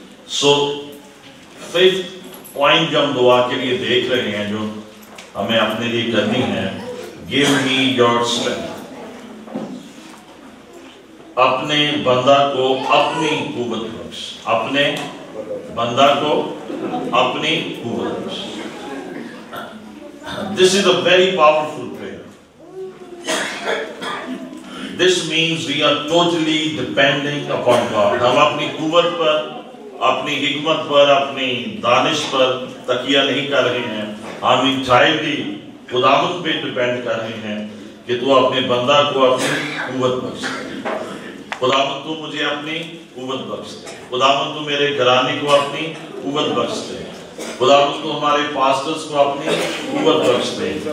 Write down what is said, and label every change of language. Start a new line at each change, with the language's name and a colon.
Hindi: So fifth point जो हम दुआ के लिए देख रहे हैं, जो हमें अपने लिए करनी है,
English: give me your strength,
Hindi: अपने बंदा को अपनी कुव्वत बख्श, अपने बंदा को अपनी कुव्वत बख्श।
English: This is a very powerful prayer. This means we are totally depending upon God.
Hindi: हम अपनी कुव्वत पर, अपनी हिकमत पर, अपनी दानिश पर तकिया नहीं कर रहे हैं, हम इंटायरली खुदावंद पे डिपेंड कर रहे हैं कि तू अपने बंदा को अपनी कुव्वत बख्श। खुदावंद तू मुझे अपनी कुव्वत बख्श दे, खुदावंद तू मेरे घराने को अपनी कुव्वत बख्श दे, खुदावंद तू हमारे पास्टर्स को अपनी कुव्वत बख्श दे।